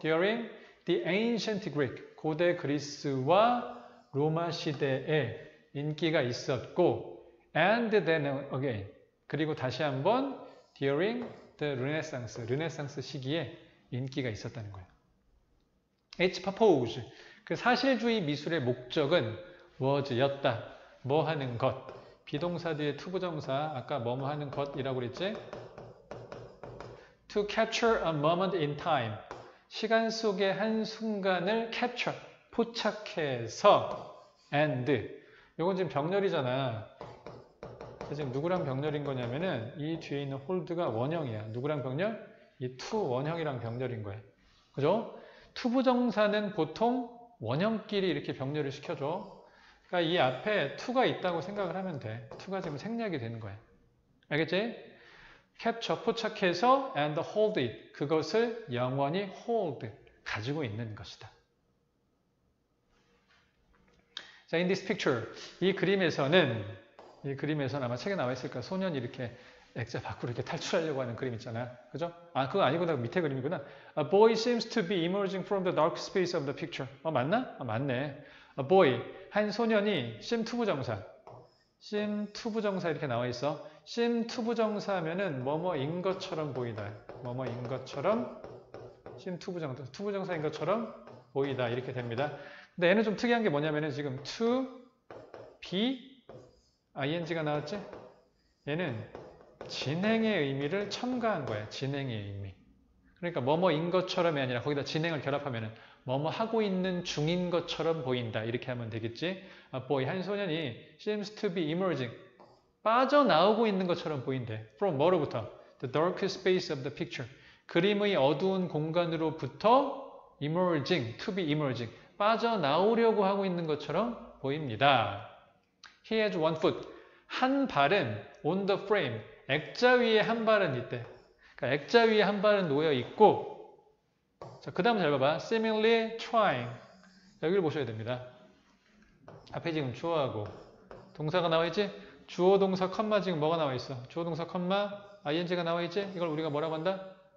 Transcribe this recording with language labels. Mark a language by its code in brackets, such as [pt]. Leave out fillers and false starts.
[en] During the ancient Greek, [ko] 고대 그리스와 로마 시대에 인기가 있었고, [en] and then again, [ko] 그리고 다시 한번 [en] during the Renaissance [ko] 시기에 인기가 있었다는 거예요. [en] Its purpose, [ko] 그 사실주의 미술의 목적은 was였다. 뭐 하는 것? 비동사 뒤에 to 부정사, 아까 뭐뭐 하는 것이라고 그랬지? [en] To capture a moment in time. [ko] 시간 속의 한 순간을 capture, 포착해서 [en] and. [ko] 이건 지금 병렬이잖아. 지금 누구랑 병렬인 거냐면은 이 뒤에 있는 hold가 원형이야. 누구랑 병렬? 이 to 원형이랑 병렬인 거야. 그죠? to 부정사는 보통 원형끼리 이렇게 병렬을 시켜줘. 그니까 이 앞에 to가 있다고 생각을 하면 돼. to가 지금 생략이 되는 거야. 알겠지? capture, 포착해서 [en] and hold it. [ko] 그것을 영원히 hold, 가지고 있는 것이다. 자, [en] in this picture, [ko] 이 그림에서는 아마 책에 나와 있을까? 소년이 이렇게 액자 밖으로 이렇게 탈출하려고 하는 그림 있잖아. 그죠? 아, 그거 아니구나. 밑에 그림이구나. [en] A boy seems to be emerging from the dark space of the picture. [ko] 맞나? 아, 맞네. [en] A boy. [ko] 한 소년이 심 투부정사 이렇게 나와 있어. 심 투부정사 하면은 뭐뭐인 것처럼 보이다. 뭐뭐인 것처럼 심 투부정사. 투부정사인 것처럼 보이다. 이렇게 됩니다. 근데 얘는 좀 특이한 게 뭐냐면은 지금 to be ing가 나왔지? 얘는 진행의 의미를 첨가한 거야. 진행의 의미. 그러니까 뭐뭐인 것처럼이 아니라 거기다 진행을 결합하면은 뭐뭐 하고 있는 중인 것처럼 보인다. 이렇게 하면 되겠지. [en] A boy, [ko] 한 소년이 [en] seems to be emerging. [ko] 빠져나오고 있는 것처럼 보인대. From 뭐로부터? [en] The dark space of the picture. [ko] 그림의 어두운 공간으로부터 [en] emerging, to be emerging. [ko] 빠져나오려고 하고 있는 것처럼 보입니다. [en] He has one foot. [ko] 한 발은 [en] on the frame. [ko] 액자 위에 한 발은 있대. 그러니까 액자 위에 한 발은 놓여 있고, 자, 그 다음 잘 봐봐. [en] Seemingly trying. [ko] 여기를 보셔야 됩니다. 앞에 지금 주어하고 동사가 나와있지? 주어, 동사, 컴마 지금 뭐가 나와있어? 주어, 동사, 컴마, ing가 나와있지? 이걸 우리가 뭐라고 한다?